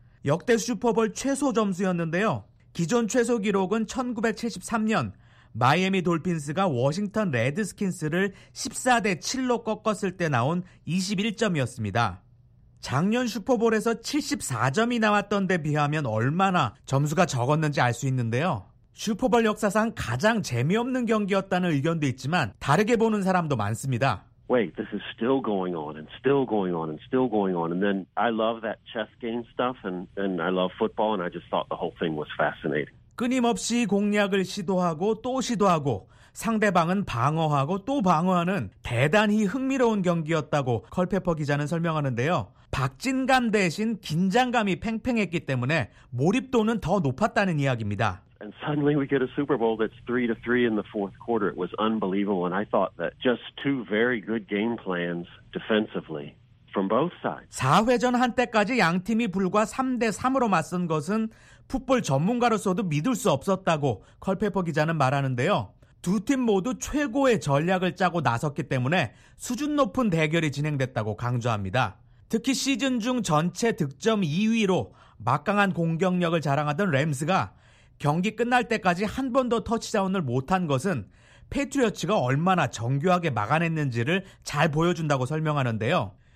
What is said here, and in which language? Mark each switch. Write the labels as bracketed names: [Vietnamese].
[Korean] 역대 슈퍼볼 최소 점수였는데요. 기존 최소 기록은 1973년 마이애미 돌핀스가 워싱턴 레드스킨스를 14-7로 꺾었을 때 나온 21점이었습니다. 작년 슈퍼볼에서 74점이 나왔던 데 비하면 얼마나 점수가 적었는지 알 수 있는데요. 슈퍼볼 역사상 가장 재미없는 경기였다는 의견도 있지만 다르게 보는 사람도 많습니다. [English] Wait, this is still going on and still going on and still going on. And then I love that chess game stuff and I love football and I just thought the whole thing was fascinating. [Korean] 끊임없이 공략을 시도하고 또 시도하고 상대방은 방어하고 또 방어하는 대단히 흥미로운 경기였다고 컬페퍼 기자는 설명하는데요. 박진감 대신 긴장감이 팽팽했기 때문에 몰입도는 더 높았다는 이야기입니다. [English] And suddenly we get a Super Bowl that's 3-3 in the fourth quarter. It was unbelievable. And I thought that just two very good game plans defensively from both sides. [Korean] 4회전 한때까지 양 팀이 불과 3-3으로 맞선 것은 풋볼 전문가로서도 믿을 수 없었다고 컬페퍼 기자는 말하는데요. 두 팀 모두 최고의 전략을 짜고 나섰기 때문에 수준 높은 대결이 진행됐다고 강조합니다. 특히 시즌 중 전체 득점 2위로 막강한 공격력을 자랑하던 램스가 경기 끝날 때까지 한 번도 터치다운을 못한 것은 페이트리어츠가 얼마나 정교하게 막아냈는지를 잘 보여준다고 설명하는데요.